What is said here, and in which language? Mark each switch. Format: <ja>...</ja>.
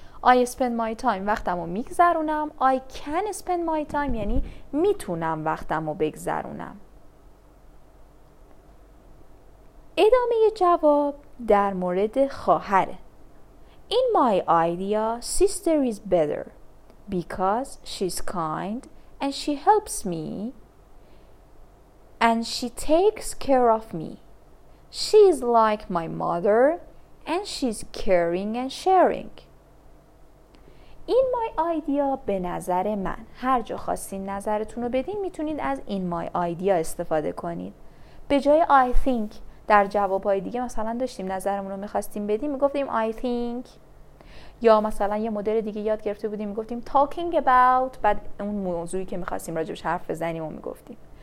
<en>I spend my time</en> <fa>وقتم رو میگذرونم.</fa> <en>I can spend my time</en> <fa>یعنی میتونم وقتم رو بگذرونم. ادامه جواب در مورد خواهره.</fa> <en>In my idea, sister is better. Because she's kind and she helps me and she takes care of me. She is like my mother and she's caring and sharing. In my idea</en> <fa>به نظر من. هر جا خواستین نظرتون رو بدین میتونید از</fa> <en>in my idea</en> <fa>استفاده کنید. به جای</fa> <en>I think</en> <fa>در جوابهای دیگه مثلا داشتیم نظرمون رو میخواستیم بدیم میگفتیم I think. یا مثلا یه مدل دیگه یاد گرفته بودیم میگفتیم</fa> <en>talking about،</en> <fa>بعد اون موضوعی که میخواستیم راجبش حرف بزنیم و میگفتیم.</fa>